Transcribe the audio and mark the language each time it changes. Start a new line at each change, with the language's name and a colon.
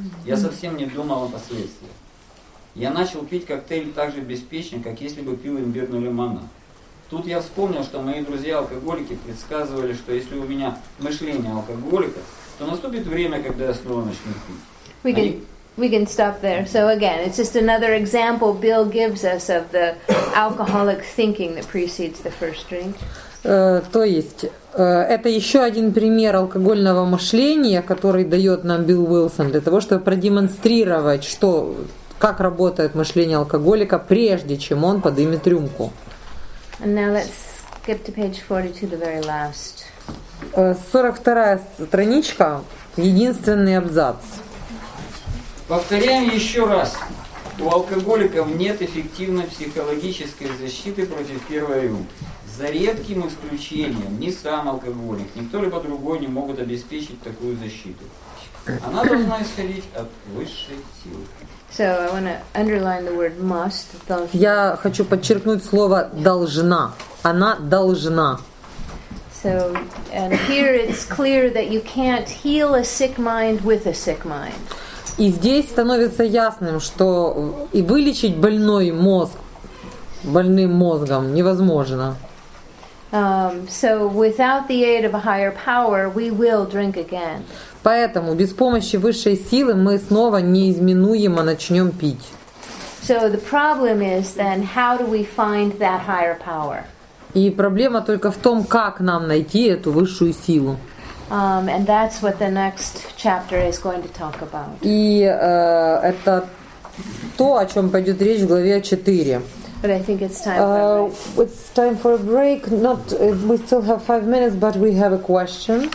Russian: Я совсем не думал о последствиях. Я начал пить коктейль так же беспечно, как если бы пил имбирный лимонад. Тут я вспомнил, что мои друзья-алкоголики предсказывали, что если у меня мышление алкоголика, то наступит время, когда я снова начну пить.
English: We can stop there. So again, it's just another example Bill gives us of the alcoholic thinking that precedes the first drink.
Russian: То есть, это еще один пример алкогольного мышления, который дает нам Билл Уилсон для того, чтобы продемонстрировать, что, как работает мышление алкоголика, прежде чем он поднимет рюмку.
English: And now let's skip to page 42, the very last.
Russian: 42-я страничка, единственный абзац. Повторяем еще раз. У алкоголиков нет эффективной психологической защиты против первой рюмки. За редким исключением ни сам алкоголик, ни кто-либо другой не могут обеспечить такую защиту. Она должна исходить от высшей силы.
English: So I want to underline the word must.
Russian: Я хочу подчеркнуть слово должна. Она должна.
English: So and here it's clear that you can't heal a sick mind with a sick mind.
Russian: И здесь становится ясным, что и вылечить больной мозг больным мозгом невозможно.
English: So without the aid of a higher power, we will drink again.
Russian: Поэтому без помощи высшей силы мы снова неизменуемо начнем пить.
English: So the problem is then how do we find that higher power?
Russian: И проблема только в том, как нам найти эту высшую силу.
English: And that's what the next chapter is going to talk about.
Russian: И это то, о чем пойдет речь в главе 4.
English: But I think it's time for a break. It's time for a break. Not, we still have 5 minutes, but we have a question.